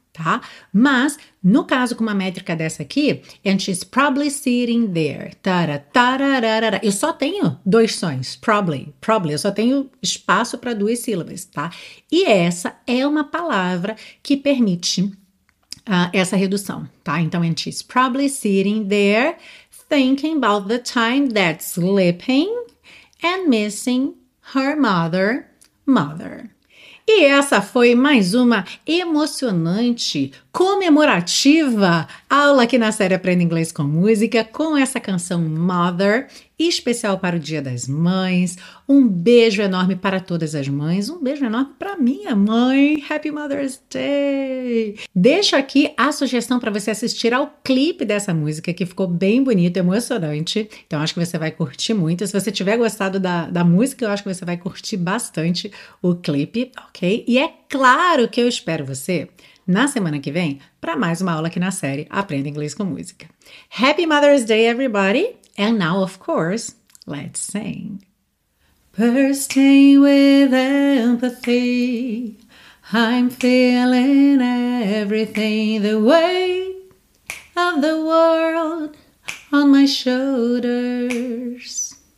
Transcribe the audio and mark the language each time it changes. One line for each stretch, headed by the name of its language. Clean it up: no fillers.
Portuguese: Tá? Mas, no caso com uma métrica dessa aqui,
English: and she's probably sitting there.
Portuguese: Tarararara. Eu só tenho dois sons,
English: probably, probably.
Portuguese: Eu só tenho espaço para duas sílabas, tá? E essa é uma palavra que permite essa redução, tá?
English: Então, and she's probably sitting there, thinking about the time that's slipping and missing her mother, mother.
Portuguese: E essa foi mais uma emocionante, comemorativa aula aqui na série Aprenda Inglês com Música, com essa canção Mother, especial para o Dia das Mães. Um beijo enorme para todas as mães, um beijo enorme para minha mãe.
English: Happy Mother's Day!
Portuguese: Deixo aqui a sugestão para você assistir ao clipe dessa música, que ficou bem bonito, emocionante. Então, acho que você vai curtir muito. Se você tiver gostado da música, eu acho que você vai curtir bastante o clipe, ok? E é claro que eu espero você na semana que vem para mais uma aula aqui na série Aprenda Inglês com Música.
English: Happy Mother's Day, everybody! And now, of course, let's sing. Bursting with empathy, I'm feeling everything the weight of the world on my shoulders.